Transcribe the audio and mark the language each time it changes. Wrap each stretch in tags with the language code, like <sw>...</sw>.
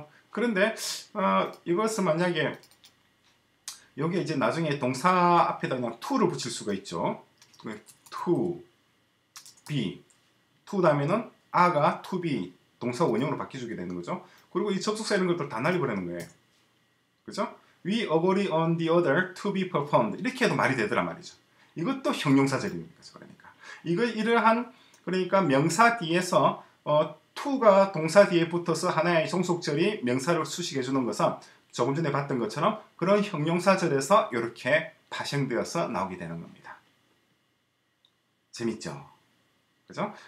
<ko>그런데 이것을 만약에 여기 이제 나중에 동사 앞에다 그냥 to를 붙일 수가 있죠. to, be, to 다음에는 아가 to be 동사 원형으로 바뀌어주게 되는 거죠. 그리고 이 접속사 이런 것들 다 날려버리는 거예요. 그죠?</ko> <en>We agree on the other to be performed.</en> <ko>이렇게 해도 말이 되더라 말이죠. 이것도 형용사절입니다. 그러니까 이거 이러한 그러니까 명사 뒤에서 to가 동사 뒤에 붙어서 하나의 종속절이 명사를 수식해 주는 것은 조금 전에 봤던 것처럼 그런 형용사절에서 이렇게 파생되어서 나오게 되는 겁니다. 재밌죠? 그죠?</ko>